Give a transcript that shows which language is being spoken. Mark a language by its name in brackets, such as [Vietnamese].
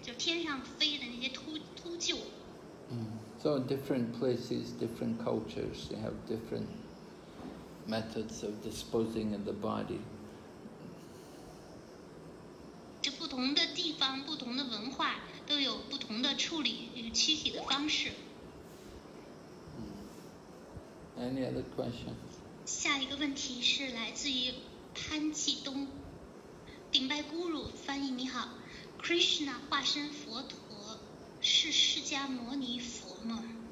[Chinese] 就秃鹰，他们会把这个躯体呢就分成小块儿，喂给就飞过来，就天上飞的那些秃鹫。 [English] So in different places, different cultures, they have different methods of disposing of the body. [Chinese] 不同的地方，不同的文化，都有不同的处理躯体的方式。 [English] Any other questions? [Chinese] 下一个问题是来自于潘继东，顶拜咕噜翻译你好，Krishna 化身佛陀，是释迦牟尼佛吗？